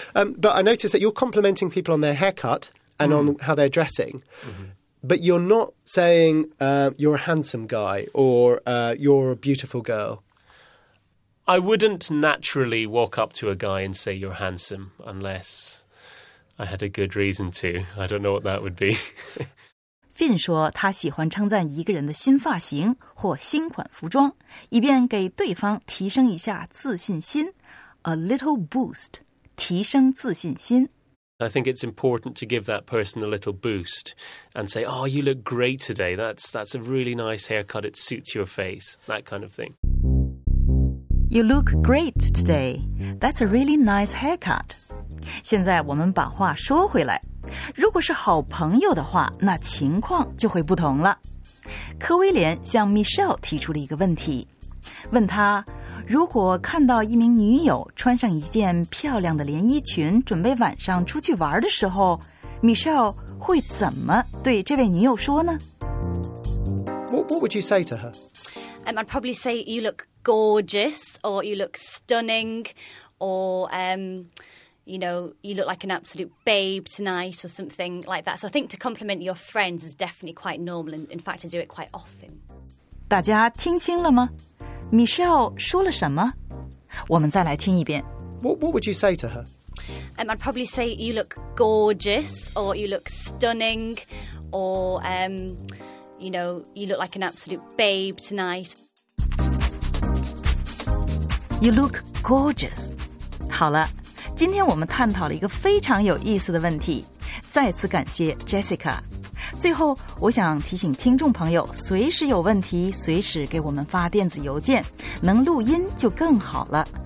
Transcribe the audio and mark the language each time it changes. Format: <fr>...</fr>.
<en>But I noticed that you're complimenting people on their haircut and on how they're dressing. Mm-hmm. But you're not saying you're a handsome guy or you're a beautiful girl. I wouldn't naturally walk up to a guy and say you're handsome unless I had a good reason to. I don't know what that would be.</en> <zh>Finn 说他喜欢称赞一个人的新发型或新款服装，以便给对方提升一下自信心。</zh> <en>A little boost,</en> <zh>提升自信心。</zh> <en>I think it's important to give that person a little boost and say, oh, you look great today. That's a really nice haircut. It suits your face, that kind of thing. You look great today. That's a really nice haircut.</en> <zh>现在我们把话说回来。如果是好朋友的话，那情况就会不同了。柯威廉向 Michelle 提出了一个问题，问他如果看到一名女友穿上一件漂亮的连衣裙，准备晚上出去玩的时候 ，Michelle 会怎么对这位女友说呢</zh> <en>？What would you say to her? I'd probably say you look gorgeous, or you look stunning, or you know, you look like an absolute babe tonight, or something like that. So I think to compliment your friends is definitely quite normal, and in fact, I do it quite often.</en> <zh>大家听清了吗？ Michelle 说了什么？我们再来听一遍。</zh> <en>What would you say to her? I'd probably say you look gorgeous, or you look stunning, or you know, you look like an absolute babe tonight. You look gorgeous.</en> <zh>好了，今天我们探讨了一个非常有意思的问题。再次感谢 Jessica。最后我想提醒听众朋友，随时有问题随时给我们发电子邮件，能录音就更好了。</zh>